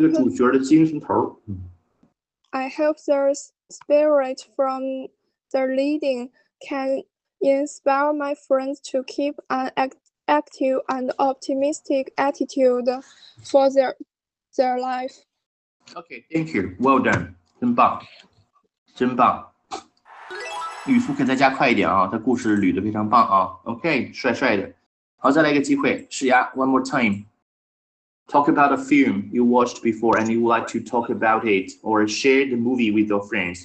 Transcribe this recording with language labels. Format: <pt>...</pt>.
<zh>我希望这个主角的精神头。I</zh> <en>hope their spirit from their leading can inspire my friends to keep an active and optimistic attitude for their life. Okay, thank you. Well done.</en> <zh>真棒。语速可以再加快一点啊，他故事捋得非常棒啊。 OK, 帅帅的。好，再来一个机会。是呀 ,</zh> <en>one more time. Talk about a film you watched before and you would like to talk about it or share the movie with your friends.</en>